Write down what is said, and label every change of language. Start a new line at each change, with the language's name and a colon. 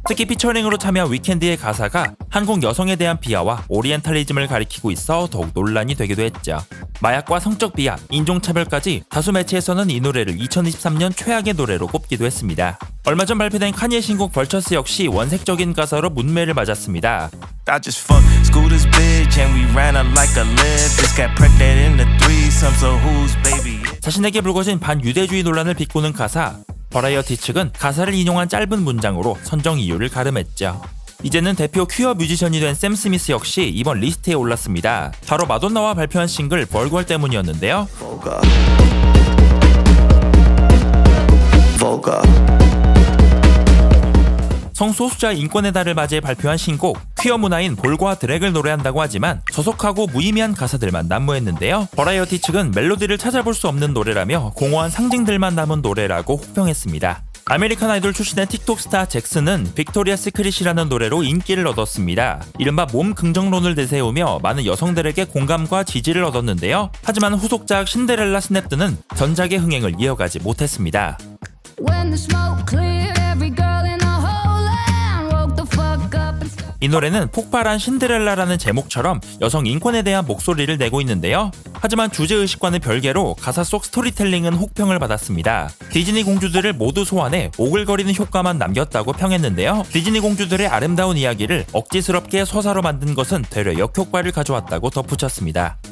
Korean: 특히 피처링으로 참여한 위켄드의 가사가 한국 여성에 대한 비하와 오리엔탈리즘을 가리키고 있어 더욱 논란이 되기도 했죠. 마약과 성적 비하, 인종차별까지 다수 매체에서는 이 노래를 2023년 최악의 노래로 꼽기도 했습니다. 얼마 전 발표된 카니의 신곡 벌처스 역시 원색적인 가사로 문매를 맞았습니다.
English: I just fuck scooters bitch and we ran her like a lift. Just got pregnant in the threesome, so who's baby?
Korean: 자신에게 불거진 반유대주의 논란을 비꼬는 가사. 버라이어티 측은 가사를 인용한 짧은 문장으로 선정 이유를 가름했죠. 이제는 대표 퀴어 뮤지션이 된 샘 스미스 역시 이번 리스트에 올랐습니다. 바로 마돈나와 발표한 싱글 Vulgar 때문이었는데요.
English: Vulgar.
Korean: 성소수자 인권의 달을 맞이해 발표한 신곡 퀴어 문화인 볼과 드랙을 노래한다고 하지만 저속하고 무의미한 가사들만 난무했는데요. 버라이어티 측은 멜로디를 찾아볼 수 없는 노래라며 공허한 상징들만 남은 노래라고 혹평했습니다. 아메리칸 아이돌 출신의 틱톡 스타 잭슨은 빅토리아 시크릿이라는 노래로 인기를 얻었습니다. 이른바 몸 긍정론을 내세우며 많은 여성들에게 공감과 지지를 얻었는데요. 하지만 후속작 신데렐라 스냅드는 전작의 흥행을 이어가지 못했습니다.
English: When the smoke cleared, every girl in the whole land woke the fuck up.
Korean: 이 노래는 폭발한 신데렐라라는 제목처럼 여성 인권에 대한 목소리를 내고 있는데요. 하지만 주제의식과는 별개로 가사 속 스토리텔링은 혹평을 받았습니다. 디즈니 공주들을 모두 소환해 오글거리는 효과만 남겼다고 평했는데요. 디즈니 공주들의 아름다운 이야기를 억지스럽게 서사로 만든 것은 되려 역효과를 가져왔다고 덧붙였습니다.